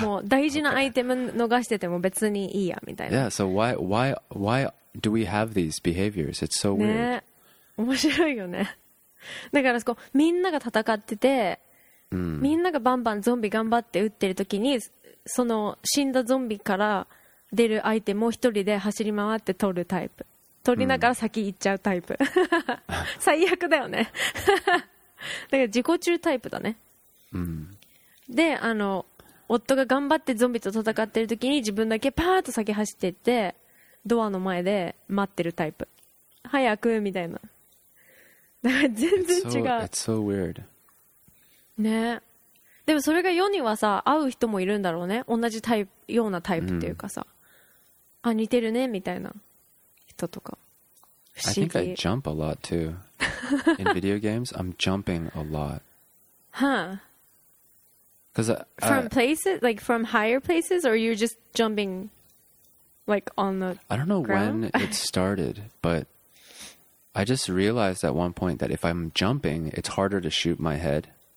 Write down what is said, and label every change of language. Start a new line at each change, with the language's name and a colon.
Japanese: もう大事なアイテム逃してても別にいいやみたいな。
English: Yeah. So why do we have these behaviors? It's so weird.
Japanese: 面白いよね。だからこうみんなが戦ってて、みんながバンバンゾンビ頑張って撃ってる時に、その死んだゾンビから出るアイテムを一人で走り回って取るタイプ、取りながら先行っちゃうタイプ、最悪だよね。だから自己中タイプだね。で、あの夫が頑張ってゾンビと戦ってる時に自分だけパーッと先走っていってドアの前で待ってるタイプ、早くみたいな。だから全然違う。
English: It's so weird
Japanese: ね。でもそれが世にはさ、会う人もいるんだろうね、同じタイプ、ようなタイプっていうかさ、あ似てるねみたいな人とか。不思議。
English: I think I jump a lot too. In video games, I'm jumping a lot. Huh. From places, like from higher places, or you're just jumping like on the ground? I don't know when it started, but I just realized at one point that if I'm jumping, it's harder to shoot my head.